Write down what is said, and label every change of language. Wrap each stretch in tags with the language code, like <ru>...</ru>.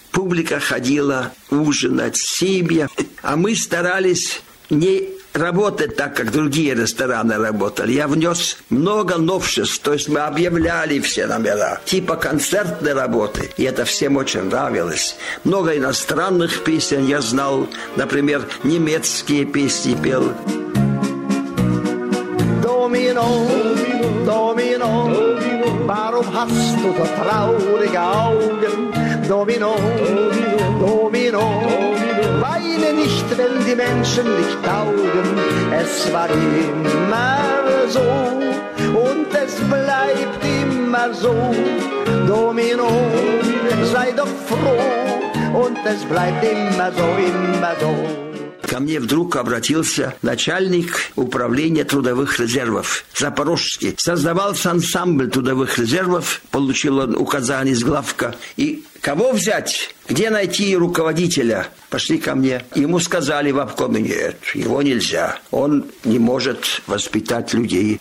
<ru>Публика ходила ужинать, семья. А мы старались не работать так, как другие рестораны работали. Я внес много новшеств, то есть мы объявляли все номера, типа концертной работы. И это всем очень нравилось. Много иностранных песен я знал, например, немецкие песни пел.</ru> <de>Domino, domino, warum hast du so traurige Augen? Domino, domino, weine nicht, wenn die Menschen dich taugen. Es war immer so, und es bleibt immer so. Domino, sei doch froh, und es bleibt immer so, immer so.</de> <ru>Ко мне вдруг обратился начальник управления трудовых резервов Запорожский. Создавался ансамбль трудовых резервов, получил он указание из главка. И кого взять? Где найти руководителя? Пошли ко мне. Ему сказали в обкоме, нет, его нельзя. Он не может воспитать людей.</ru>